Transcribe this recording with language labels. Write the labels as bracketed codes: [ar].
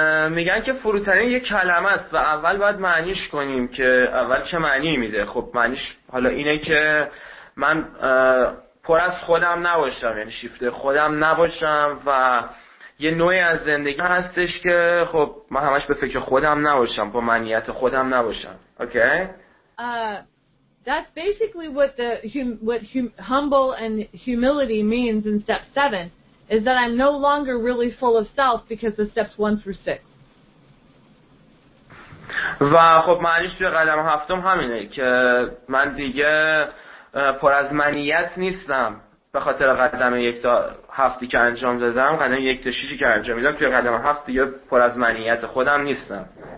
[fa] میگن که فروتنی یک کلمه است و اول باید معنیش کنیم که اول چه معنی میده. خب معنیش حالا اینه که من پر از خودم نباشم، یعنی شیفته خودم نباشم و یه نوعی از زندگی هستش که خب من همش به فکر خودم نباشم، با معنیت خودم نباشم. [en] Okay? That's basically what humble and humility means in step 7. Is that I'm no longer really full of self because the steps 1 through 6. [fa] و خب معنیش توی قدم هفتم همینه که من دیگه پر از منیت نیستم، به خاطر قدم یک تا هفتی که انجام دادم، قدم یک تا شیشی که انجام میدم توی قدم هفت دیگه پر از منیت خودم نیستم.